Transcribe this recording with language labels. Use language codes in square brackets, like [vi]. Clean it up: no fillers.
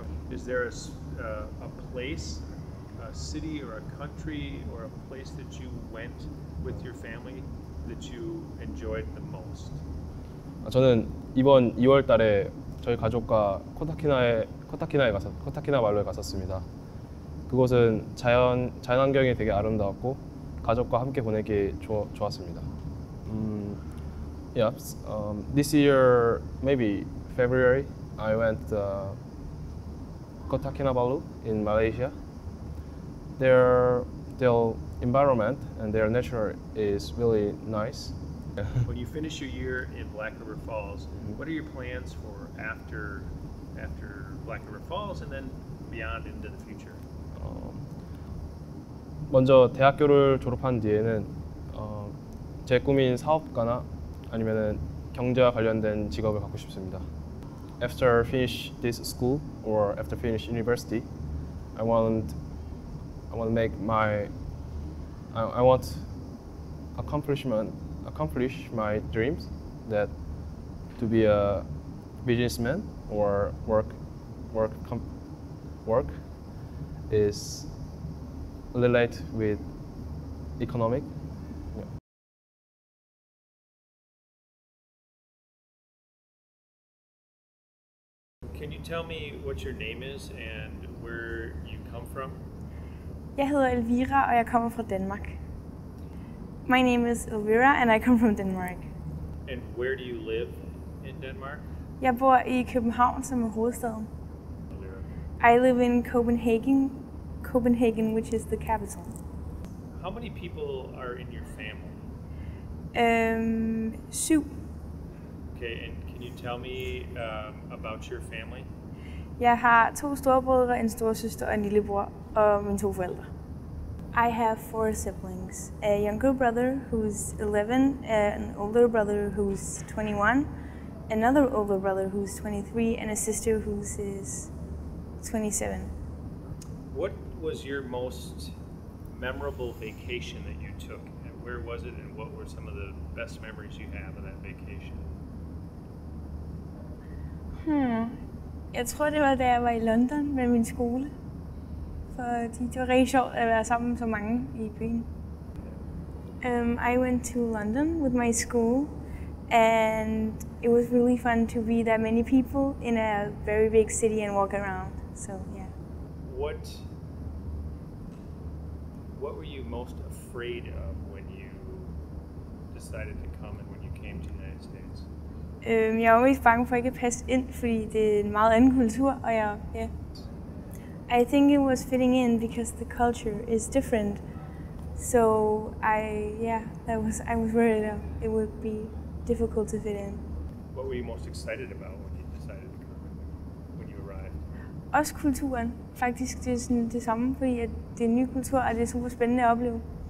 [en] Is there a place, a city or a country or a place that you went with your family that you enjoyed the most? [ko] 저는 이번 2월 달에 저희 가족과 코타키나에 가서 코타키나 마을로 갔었습니다. 그곳은 자연 환경이 되게 아름다웠고 가족과 함께 보내기 좋았습니다. [en] Yep. This year, maybe February, I went to Kota Kinabalu in Malaysia. Their environment and their nature is really nice. When you finish your year in Black River Falls, what are your plans for after Black River Falls and then beyond into the future? [ko] 먼저 대학교를 졸업한 뒤에는 제 꿈인 사업가나 아니면은 경제와 관련된 직업을 갖고 싶습니다. [en] After I finish this school or after I finish university, I want to accomplish my dreams that to be a businessman or work is related with economic. Can you tell me what your name is and where you come from? [da] Jeg hedder Elvira, og jeg kommer fra Danmark. [en] My name is Elvira, and I come from Denmark. And where do you live in Denmark? [da] Jeg bor i København, som er hovedstaden. Elvira. [en] I live in Copenhagen, which is the capital. How many people are in your family? [da] Syv. [en] Okay, and can you tell me about your family? [da] Jeg har to storebrødre, en storesøster og en lillebror, og mine to forældre. [en] I have four siblings, a younger brother who's 11, an older brother who's 21, another older brother who's 23, and a sister who's 27. What was your most memorable vacation that you took, and where was it, and what were some of the best memories you have of that vacation? [da] Jeg tror, det var, da jeg var i London med min skole. Fordi det var rigtig sjovt at være sammen med så mange i byen. [en] I went to London with my school, and it was really fun to be that many people in a very big city and walk around, so yeah. What were you most afraid of when you decided to come and when you came to the United States? [da] Jeg var mest bange for ikke at passe ind, fordi det er en meget anden kultur, og jeg, ja. [en] I think it was fitting in because the culture is different. So I was worried that it would be difficult to fit in. What were you most excited about when you decided to come when you arrived? [da] Også kulturen. Faktisk det er sådan det samme, fordi at det er en ny kultur, og det er super spændende at opleve.